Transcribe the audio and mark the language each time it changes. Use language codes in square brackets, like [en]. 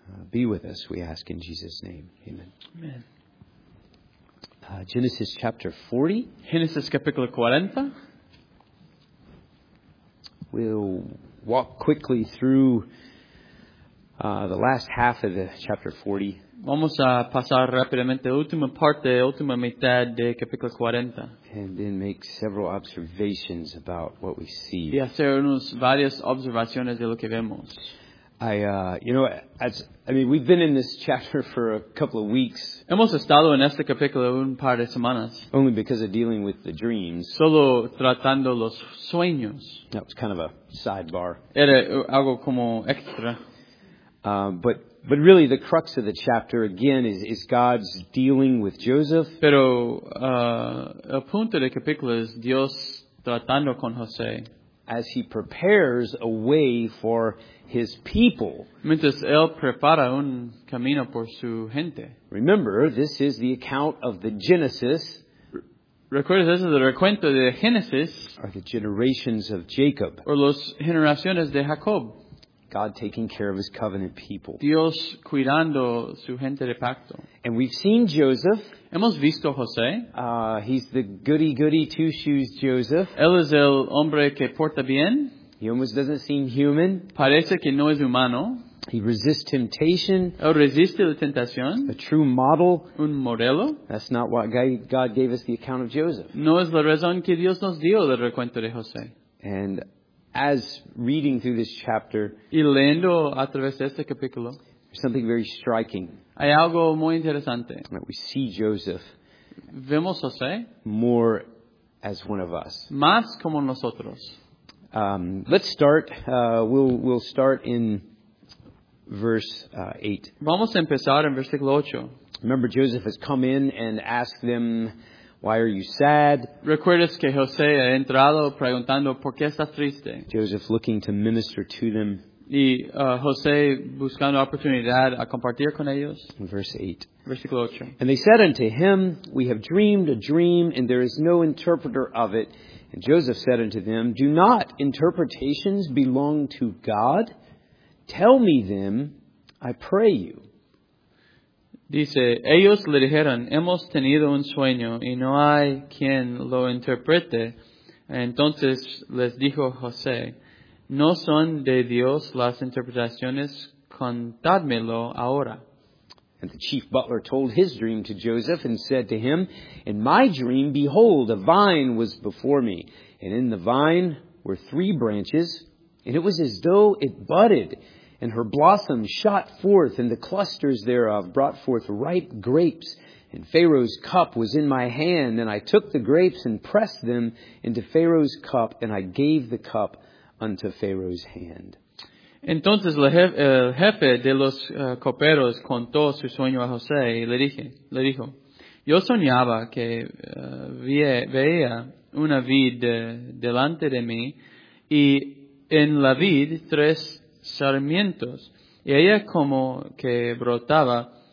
[en] Be with us, we ask in Jesus' name. Amen. Amen. Genesis chapter 40. [es] Genesis capítulo 40. [en] We'll walk quickly through the last half of the chapter 40. [es] Vamos a pasar rápidamente la última parte, la última mitad de capítulo 40. [en] And then make several observations about what we see. [es] Y hacer unas varias observaciones de lo que vemos. [en] We've been in this chapter for a couple of weeks. [es] Hemos estado en este capítulo un par de semanas. [en] Only because of dealing with the dreams. [es] Solo tratando los sueños. [en] That was kind of a sidebar. [es] Era algo como extra. [en] But really, the crux of the chapter again is God's dealing with Joseph. [es] Pero el punto del capítulo es Dios tratando con José. [en] As he prepares a way for his people. [es] Mientras él prepara un camino por su gente. [en] Remember, this is the account of the Genesis. [es] Recuerda, ese es el recuento de Génesis. [en] Or the generations of Jacob. [es] O las generaciones de Jacob. [en] God taking care of his covenant people. [es] Dios cuidando su gente de pacto. [en] And we've seen Joseph. [es] Hemos visto José. [en] He's the goody-goody two-shoes Joseph. [es] Él es el hombre que porta bien. [en] He almost doesn't seem human. [es] Parece que no es humano. [en] He resists temptation. [es] Él resiste la tentación. [en] A true model. [es] Un modelo. [en] That's not what God gave us the account of Joseph. [es] No es la razón que Dios nos dio el recuento de José. [en] And as reading through this chapter, [es] y leyendo a través de este capítulo, [en] there's something very striking. [es] Hay algo muy interesante. [en] That we see Joseph. [es] Vemos a José. [en] More as one of us. [es] Más como nosotros. [en] Let's start. We'll start in verse 8. [es] Vamos a empezar en versículo 8. [en] Remember, Joseph has come in and asked them, why are you sad? [es] Recuerdas que José ha entrado preguntando por qué estás triste. [en] Joseph looking to minister to them. [es] Y José buscando oportunidad a compartir con ellos. [en] Verse 8. [es] Versículo 8. [en] And they said unto him, we have dreamed a dream, and there is no interpreter of it. And Joseph said unto them, do not interpretations belong to God? Tell me them, I pray you. [es] Dice, ellos le dijeron, hemos tenido un sueño y no hay quien lo interprete. Entonces les dijo José, no son de Dios las interpretaciones, contádmelo ahora. [en] And the chief butler told his dream to Joseph and said to him, in my dream, behold, a vine was before me, and in the vine were three branches, and it was as though it budded. And her blossoms shot forth, and the clusters thereof brought forth ripe grapes. And Pharaoh's cup was in my hand, and I took the grapes and pressed them into Pharaoh's cup, and I gave the cup unto Pharaoh's hand. [es] Entonces el jefe de los coperos contó su sueño a José y le dijo, yo soñaba que veía una vid delante de mí, y en la vid tres sarmientos, y ella como que brotaba